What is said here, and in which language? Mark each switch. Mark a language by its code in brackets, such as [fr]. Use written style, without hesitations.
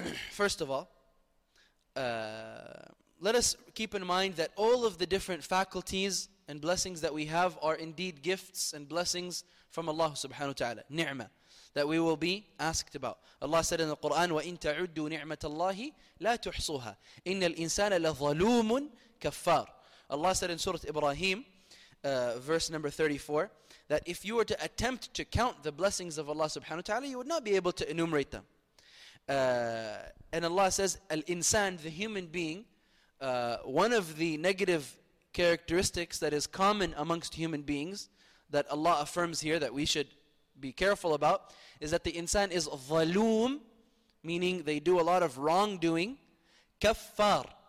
[en] First of all, let us keep in mind that all of the different faculties and blessings that we have are indeed gifts and blessings from Allah subhanahu wa ta'ala, ni'mah, that we will be asked about. Allah said in the Quran, [ar] وَإِن تَعُدُّوا نِعْمَةَ اللَّهِ لَا تُحْصُوهَا إِنَّ الْإِنسَانَ لَظَلُومٌ كَفَّارٌ. [en] Allah said in Surah Ibrahim, verse number 34, that if you were to attempt to count the blessings of Allah subhanahu wa ta'ala, you would not be able to enumerate them. And Allah says, الْإِنسَان, the human being, one of the negative characteristics that is common amongst human beings that Allah affirms here that we should be careful about is that the insan is zalum, meaning they do a lot of wrongdoing. Kaffar.